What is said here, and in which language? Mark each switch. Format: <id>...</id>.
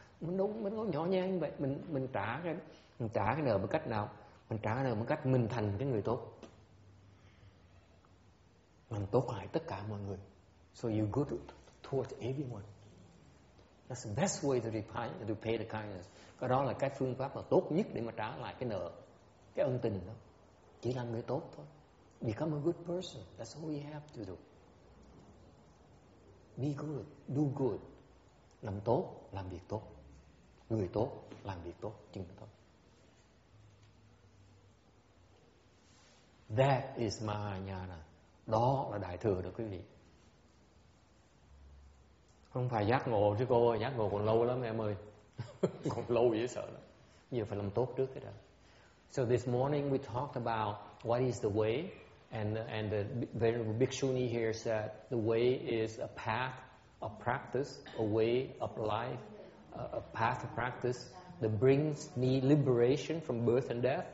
<vi>Mình đúng, mình có nhỏ nhen vậy, mình trả cái nợ bằng cách nào? Mình trả cái nợ bằng cách mình thành cái người tốt, mình tốt lại tất cả mọi người.</vi> <en>So you good towards everyone. That's the best way to pay the kindness.</en> <vi>Cái đó là cái phương pháp mà tốt nhất để mà trả lại cái nợ, cái ân tình đó. Chỉ là người tốt thôi.</vi> <en>Become a good person. That's all we have to do. Be good. Do good.</en> <vi>Làm tốt, làm việc tốt. Người tốt, làm việc tốt. Chừng thôi.</vi> <en>That is Mahayana.</en> <vi>Đó là Đại Thừa đó quý vị. Không phải giác ngộ chứ cô, giác ngộ còn lâu lắm em ơi. Còn lâu dễ sợ lắm. Giờ phải làm tốt trước cái đó.</vi> <en>So this morning we talked about what is the way, and the Venerable Bhikshuni here said the way is a path of practice, a way of life, a path of practice that brings me liberation from birth and death.</en>